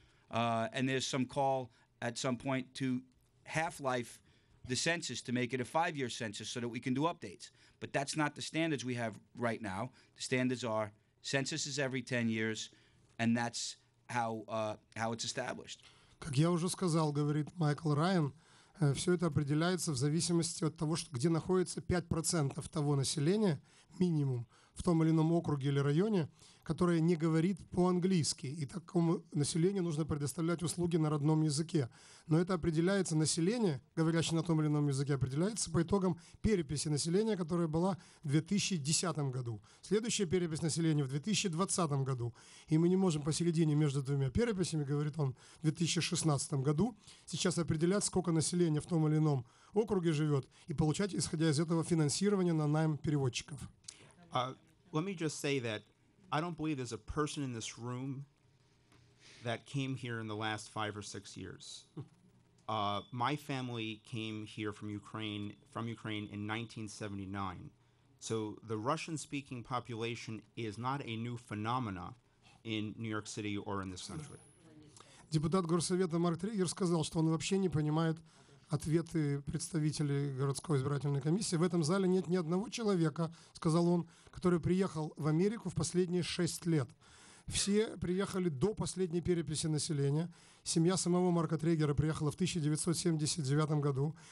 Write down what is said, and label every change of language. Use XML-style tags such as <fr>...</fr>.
<en>And there's some call at some point to half-life the census to make it a 5-year census so that we can do updates. But that's not the standards we have right now. The standards are census is every 10 years, and that's how it's established.</en> <ru>Как я уже сказал, говорит Майкл Райан, все это определяется в зависимости от того, где находится 5% того населения, минимум, в том или ином округе или районе, которая не говорит по-английски, и такому населению нужно предоставлять услуги на родном языке. Но это определяется, население, говорящее на том или ином языке, определяется по итогам переписи населения, которая была в 2010 году. Следующая перепись населения в 2020 году. И мы не можем посередине между двумя переписями, говорит он, в 2016 году, сейчас определять, сколько населения в том или ином округе живет, и получать, исходя из этого, финансирование на найм переводчиков.</ru> <en>Let me just say that I don't believe there's a person in this room that came here in the last 5 or 6 years. My family came here from Ukraine in 1979. So the Russian-speaking population is not a new phenomena in New York City or in this country.</en> <ru>Депутат горсовета Марк Триггер сказал, что он вообще не понимает ответы представителей городской избирательной комиссии. В этом зале нет ни одного человека, сказал он, который приехал в Америку в последние 6 лет. Все приехали до последней переписи населения. Семья самого Марка Триггера приехала в 1979 году.</ru>